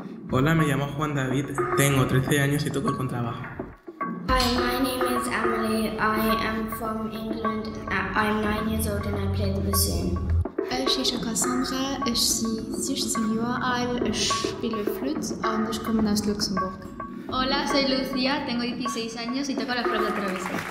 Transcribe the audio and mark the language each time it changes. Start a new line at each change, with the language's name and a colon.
Spanish: Hola, me llamo Juan David, tengo 13 años y toco el contrabajo.
English: Hi, my name is Emily. I am from England. I'm 9 years old and I play the bassoon.
German: Ich heiße Cassandra, ich bin 16 Jahre alt, ich spiele Flöte und ich komme aus Luxemburg.
Spanish: Hola, soy Lucía, tengo 16 años y toco la flauta travesa.